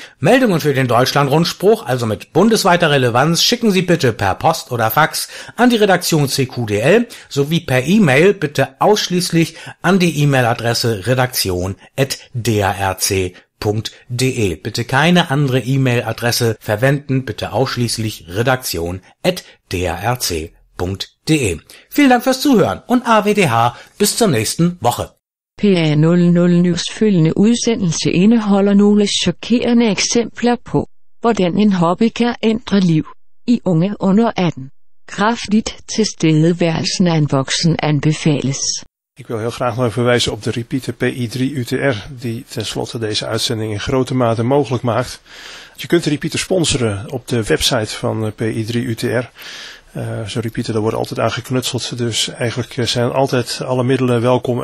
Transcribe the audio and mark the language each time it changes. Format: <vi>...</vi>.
<de>Meldungen für den Deutschland-Rundspruch, also mit bundesweiter Relevanz, schicken Sie bitte per Post oder Fax an die Redaktion CQDL sowie per E-Mail bitte ausschließlich an die E-Mail-Adresse redaktion@drc.de. Bitte keine andere E-Mail-Adresse verwenden, bitte ausschließlich redaktion@drc.de. Vielen Dank fürs Zuhören und AWDH bis zur nächsten Woche.</de> <da>PA00NEWS følgende udsendelse indeholder nogle chokerende eksempler på, hvordan en hobby kan ændre liv i unge under 18. Kraftigt tilstedeværelsen af en voksen anbefales.</da> <nl>Ik wil heel graag nog even wijzen op de repeater PI3UTR, die tenslotte deze uitzending in grote mate mogelijk maakt. Je kunt de repeater sponsoren op de website van PI3UTR. Zo'n repeater, daar wordt altijd aan geknutseld. Dus eigenlijk zijn altijd alle middelen welkom.</nl>